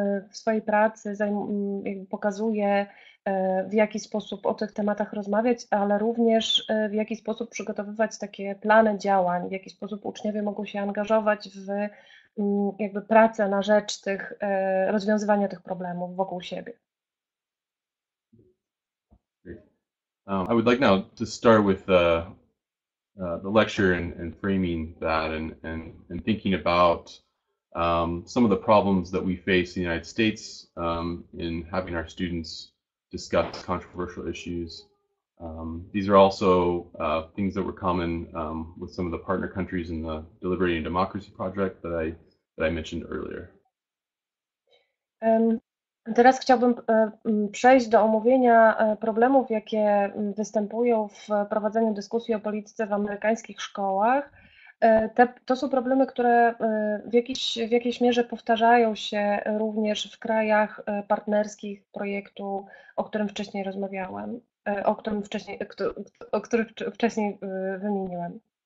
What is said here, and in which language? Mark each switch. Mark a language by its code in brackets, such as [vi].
[pl] W swojej pracy pokazuję, w jaki sposób o tych tematach rozmawiać, ale również w jaki sposób przygotowywać takie plany działań, w jaki sposób uczniowie mogą się angażować w jakby pracę na rzecz tych rozwiązywania tych problemów wokół siebie. [en] I would like now to start with the lecture and framing that and thinking about some of the problems that we face in the United States in having our students discuss controversial issues. These are also things that were common with some of the partner countries in the Deliberating Democracy Project that I mentioned earlier. [pl] Teraz chciałbym przejść do omówienia problemów, jakie występują w prowadzeniu dyskusji o polityce w amerykańskich szkołach. To są problemy, które w jakiejś mierze powtarzają się również w krajach partnerskich projektu, o którym wcześniej rozmawiałem, o którym wcześniej wymieniłem.